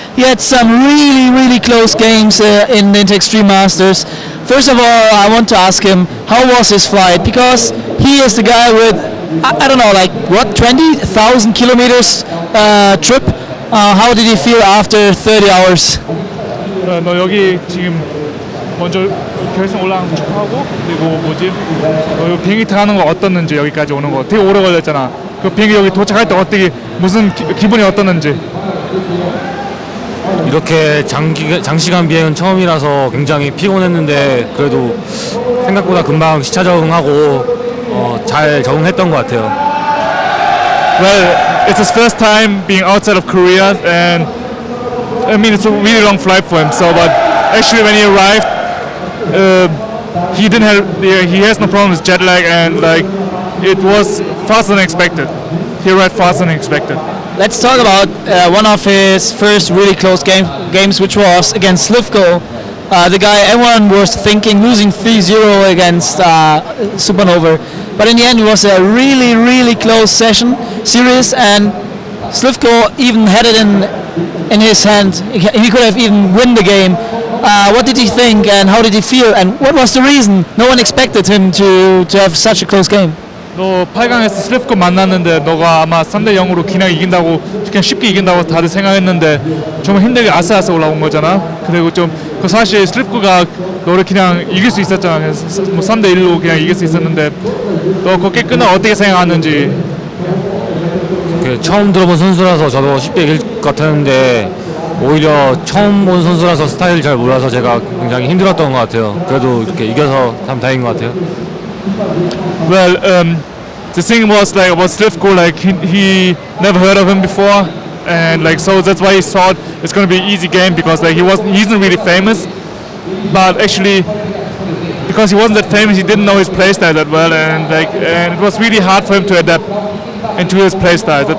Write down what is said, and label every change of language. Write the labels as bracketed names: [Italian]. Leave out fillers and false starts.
[English] He had some really, really close games in the Intel Extreme Masters. First of all, I want to ask him, how was his flight? Because he is the guy with, I don't know, like what, 20,000 kilometers trip? How did he feel after 30 hours? [Korean] 너 여기 지금 먼저 결승 올라간 거 축하하고, 그리고 뭐지? 너 여기 비행기 타는 거 어떻는지, 여기까지 오는 거 되게 오래 걸렸잖아. 그 비행기 여기 도착할 때 어떻게, 무슨 기분이 어떻는지. 이렇게 장시간 비행은 처음이라서 굉장히 피곤했는데, 그래도 생각보다 금방 시차 적응하고 잘 적응했던 것 같아요. [English] Well, it's his first time being outside of Korea, and I mean, it's a really long flight for him. So, but actually, when he arrived, he didn't have, he has no problem with jet lag, and like it was faster than expected. He arrived faster than expected. Let's talk about one of his first really close games, which was against Slivko. The guy everyone was thinking losing 3-0 against Supernova, but in the end it was a really, really close session series, and Slivko even had it in his hand. He could have even won the game. What did he think and how did he feel and what was the reason? No one expected him to have such a close game. [Korean] 너 8강에서 슬립코 만났는데 너가 아마 3-0으로 그냥 이긴다고, 그냥 쉽게 이긴다고 다들 생각했는데 정말 힘들게 아싸아싸 올라온 거잖아. 그리고 좀 그 사실 슬립코가 너를 그냥 이길 수 있었잖아. 뭐 3-1로 그냥 이길 수 있었는데 너 그렇게 끝나 어떻게 생각하는지. 처음 들어본 선수라서 저도 쉽게 이길 것 같았는데 오히려 처음 본 선수라서 스타일을 잘 몰라서 제가 굉장히 힘들었던 것 같아요. 그래도 이렇게 이겨서 참 다행인 것 같아요. [English] Well, the thing was like about Slivko, like he never heard of him before, and like so that's why he thought it's gonna be an easy game because like he isn't really famous, but actually because he wasn't that famous, he didn't know his playstyle that well, and it was really hard for him to adapt into his playstyle.